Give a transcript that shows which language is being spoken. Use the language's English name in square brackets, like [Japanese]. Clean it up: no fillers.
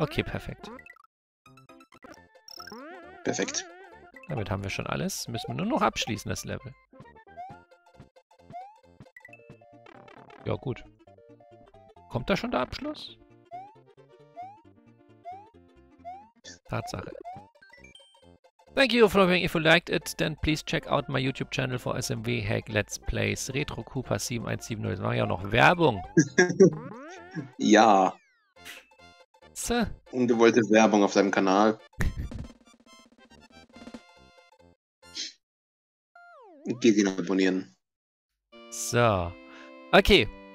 [German] Okay, perfekt. Perfekt. Damit haben wir schon alles. Müssen wir nur noch abschließen, das Level. Ja, gut. Kommt da schon der Abschluss? Tatsache. [English] Thank you for watching. If you liked it, then please check out my YouTube channel for SMW Hack Let's Plays. Retro Koopa 7170. [German] Das war ja auch noch Werbung. Ja. So. Ungewollte Werbung auf deinem Kanal. Geh sie noch abonnieren. So. Okay.